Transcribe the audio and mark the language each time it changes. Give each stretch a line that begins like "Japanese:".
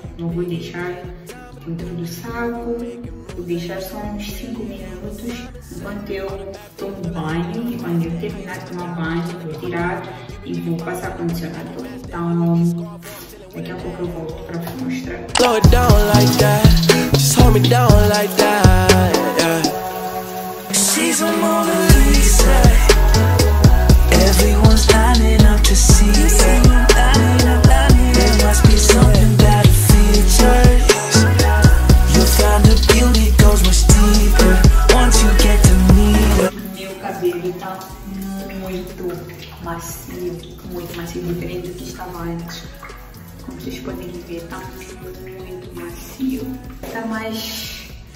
Portuguese: Não vou deixar dentro do saco, vou deixar só uns 5 minutos enquanto eu tomo banho. E quando eu terminar de tomar banho, vou tirar e vou passar condicionador. Então, daqui a pouco eu volto para te mostrar.
English: Slow it down like that. Just hold me down like that, yeah. She's a Mona Lisa. Everyone's lining up to see her. There must be something that features. You'll find the beauty goes much deeper once you get to meet her.
Portuguese: Meu cabelo tá muito macio, diferente do que estava antes. Vocês podem ver, tá muito macio. Tá mais